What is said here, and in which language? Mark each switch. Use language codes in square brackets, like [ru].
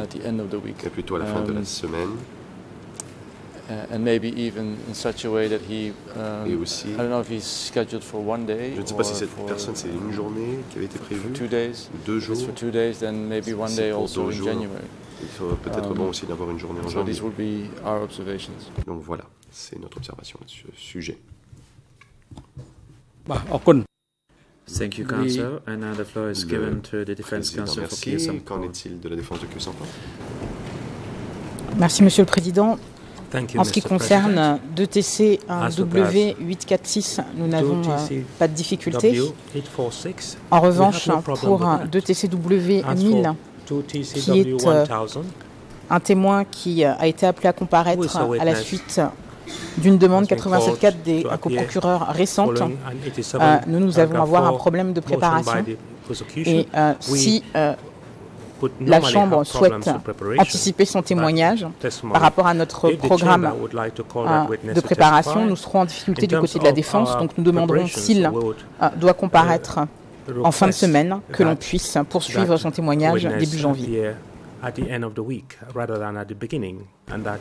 [en] at the end of the week. [fr] Plutôt à la fin de la semaine. [en] And maybe even in such a way that he, [fr] aussi, [en] I don't know if he's scheduled for one day or for 2 days. [fr] Deux jours. [en] If it's for 2 days, then maybe one day also in January. [fr] Il faudrait peut-être bon aussi d'avoir une journée en janvier. [en] So these would be our observations. [fr] Donc voilà. C'est notre observation à ce sujet. [en] Thank you, counsel. And now the floor is given to the defense counsel for Kyiv Sampol. [fr] Qu'en est-il de la défense de Kyiv Sampol? Merci, Monsieur le Président. En ce qui concerne 2TC1W846, nous n'avons pas de difficultés. En revanche, pour 2TCW1000, qui est un témoin qui a été appelé à comparaître à la suite d'une demande 87-4 des coprocureurs récentes, nous avons à avoir un problème de préparation. Et si la Chambre souhaite anticiper son témoignage par rapport à notre programme de préparation, nous serons en difficulté du côté de la défense, donc nous demanderons s'il doit comparaître en fin de semaine que l'on puisse poursuivre son témoignage début janvier. [en] At the end of the week, rather than at the beginning, and that